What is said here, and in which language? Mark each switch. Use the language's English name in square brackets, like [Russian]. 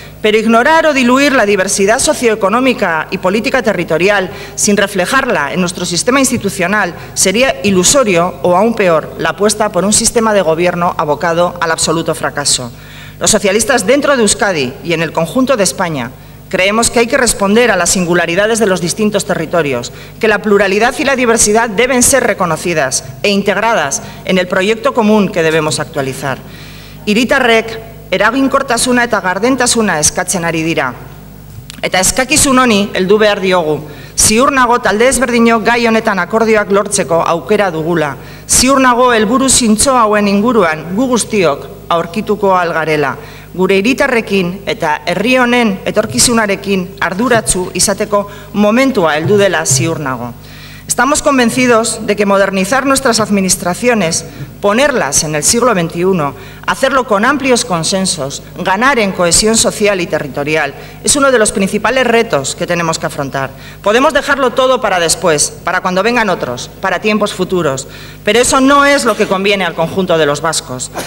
[Spanish] Pero ignorar o diluir la diversidad socioeconómica y política territorial sin reflejarla en nuestro sistema institucional sería ilusorio o, aún peor, la apuesta por un sistema de gobierno abocado al absoluto fracaso. Los socialistas dentro de Euskadi y en el conjunto de España creemos que hay que responder a las singularidades de los distintos territorios, que la pluralidad y la diversidad deben ser reconocidas e integradas en el proyecto común que debemos actualizar. [Basque] Hiritarrek eraginkortasuna eta gardentasuna eskatzen ari dira. Eta eskakizun honi heldu behar diogu. Ziur nago talde ezberdino gai honetan akordioak lortzeko aukera dugula. Ziur nago helburu zintzo hauen inguruan gu guztiok aurkituko algarela. Gure hiritarrekin eta herri honen etorkizunarekin arduratsu izateko momentua heldu dela ziur nago. [Spanish] Estamos convencidos de que modernizar nuestras administraciones, ponerlas en el siglo XXI, hacerlo con amplios consensos, ganar en cohesión social y territorial, es uno de los principales retos que tenemos que afrontar. Podemos dejarlo todo para después, para cuando vengan otros, para tiempos futuros, pero eso no es lo que conviene al conjunto de los vascos.